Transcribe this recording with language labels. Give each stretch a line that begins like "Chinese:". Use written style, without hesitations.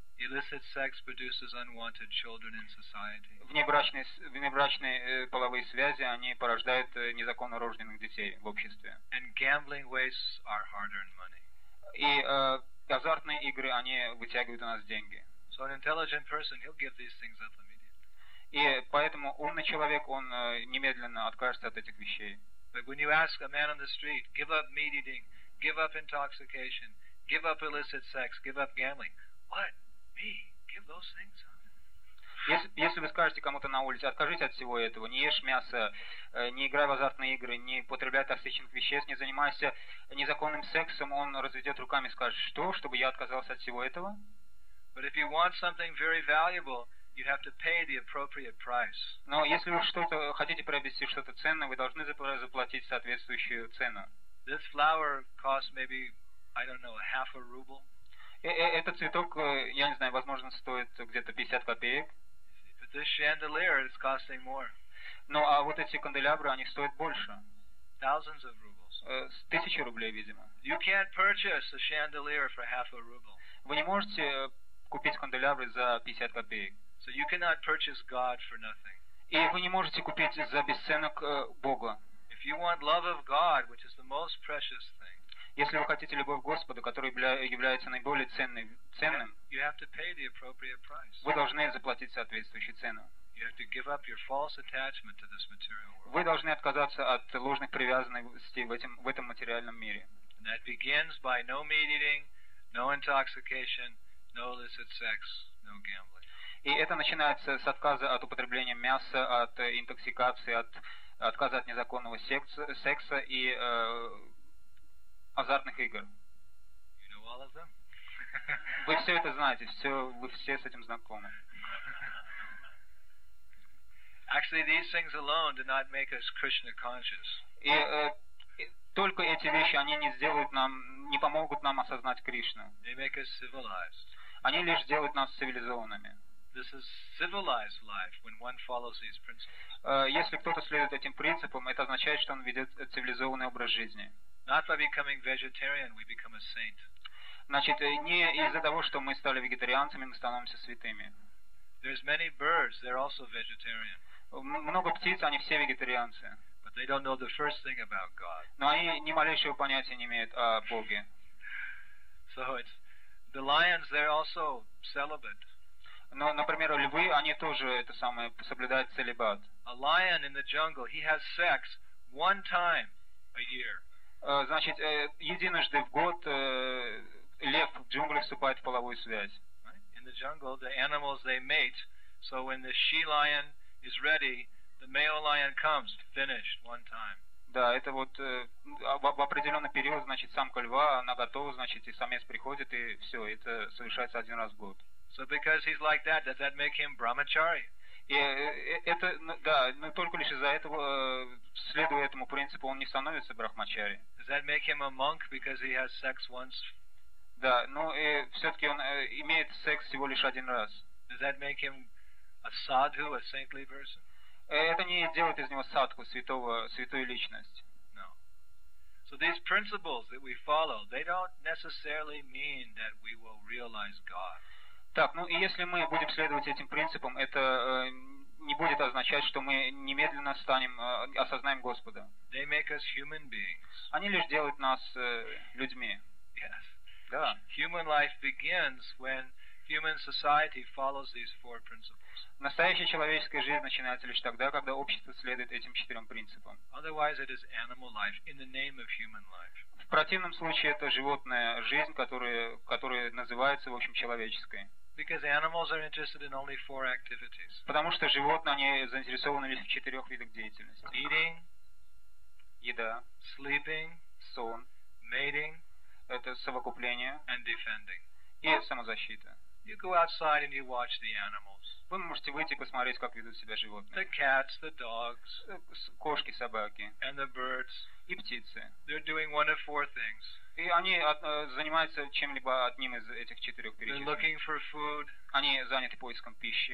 English: Illicit sex produces unwanted children in society.
Russian: Внебрачные половые связи, они порождают незаконно рожденных детей в обществе.
English: And gambling wastes our hard-earned money.
Russian: И азартные игры, они вытягивают у нас деньги.
English: So an intelligent person, he'll give these things up.
Russian: И поэтому умный человек, он немедленно откажется от этих вещей.
English: But when you ask a man on the street, give up meat eating, give up intoxication, give up illicit sex, give up gambling. What? Me? Give those things up?
Russian: Если вы скажете кому-то на улице, откажите от всего этого, не ешь мясо, не играй в азартные игры, не употребляй токсичных веществ, не занимайся незаконным сексом, он разведет руками и скажет, что, чтобы я отказался от всего этого?
English: But if you want something very valuable, you have to pay the appropriate price.
Russian: Но если вы что-то хотите приобрести что-то ценное, вы должны заплатить соответствующую цену.
English: This flower costs maybe, I don't know, half a ruble.
Russian: Этот цветок, я не знаю, возможно, стоит где-то 50 копеек.
English: If the chandelier is costing more.
Russian: Ну, а вот эти канделябры, они стоят больше.
English: Thousands of rubles.
Russian: Тысячи рублей, видимо.
English: You can't purchase a chandelier for half a ruble.
Russian: Вы не можете купить канделябры за 50 копеек.
English: So you cannot purchase God for nothing.
Russian: И вы не можете купить за бесценок Бога.
English: If you want love of God, which is the most precious thing.
Russian: Если вы хотите любовь Господа, которая является наиболее ценным,
English: you have to pay the appropriate price.
Russian: Вы должны заплатить соответствующую цену.
English: You have to give up your false attachment to this material world.
Russian: Вы должны отказаться от ложных привязанностей в этом материальном мире.
English: And that begins by no meat eating, no intoxication, no illicit sex, no gambling.
Russian: И это начинается с отказа от употребления мяса, от интоксикации, от отказа от незаконного секса и азартных игр.
English: You know all of them?
Russian: Вы все это знаете, вы все с этим знакомы.
English: Actually, these things alone do not make us Krishna conscious.
Russian: И только эти вещи, они не сделают нам, не помогут нам осознать Кришну.
English: They make us civilized.
Russian: Они лишь делают нас цивилизованными.
English: This is civilized life when one follows these principles.
Russian: Если кто-то следует этим принципам, это означает, что он ведет цивилизованный образ жизни.
English: Not by becoming vegetarian, we become a saint.
Russian: Значит, не из-за того, что мы стали вегетарианцами, мы становимся святыми.
English: There's many birds, they're also vegetarian.
Russian: Много птиц, они все вегетарианцы.
English: But they don't know the first thing about God.
Russian: Но они ни малейшего понятия не имеют о Боге.
English: So it's the lions, they're also celibate.
Russian: Но, например, львы, они тоже это самое соблюдают целибат.
English: A lion in the jungle, he has sex one time a year.
Russian: Значит, единожды в год лев в джунглях вступает в половую связь.
English: In the jungle, the animals they mate. So when the she lion is ready, the male lion comes. Finished one time.
Russian: Да, это вот в определенный период, значит, самка льва, она готова, значит, и самец приходит, и все, это совершается один раз в год.
English: So because he's like that, does that make him brahmachari?
Russian: Это, да, но только лишь из-за этого, следуя этому принципу, он не становится брахмачари.
English: Does that make him a monk because he has sex once?
Russian: Да, но все-таки он имеет секс всего лишь один раз.
English: Does that make him a sadhu, a saintly person?
Russian: Это не делает из него садху, святую личность.
English: No. So these principles that we follow, they don't necessarily mean that we will realize God.
Russian: Так, ну и если мы будем следовать этим принципам, это не будет означать, что мы немедленно станем, осознаем Господа.
English: They make us human beings.
Russian: Они лишь делают нас людьми.
English: Yes.
Russian: Да.
English: Human life begins when human society follows these four principles.
Russian: Настоящая человеческая жизнь начинается лишь тогда, когда общество следует этим четырем принципам.
English: Otherwise it is animal life in the name of human life.
Russian: В противном случае это животная жизнь, которая называется, в общем, человеческой.
English: Because animals are interested in only four activities.
Russian: Потому что животные, они заинтересованы лишь в четырех видах деятельности.
English: Eating.
Russian: Еда.
English: Sleeping.
Russian: Сон.
English: Mating.
Russian: Это совокупление.
English: And defending.
Russian: И самозащита.
English: You go outside and you watch the animals.
Russian: Вы можете выйти и посмотреть, как ведут себя животные.
English: The cats, the dogs,
Russian: кошки, собаки.
English: And the birds.
Russian: И птицы.
English: They're doing one of four things.
Russian: И они занимаются чем-либо одним из этих четырех перечисленных.
English: They're looking for food.
Russian: Они заняты поиском пищи.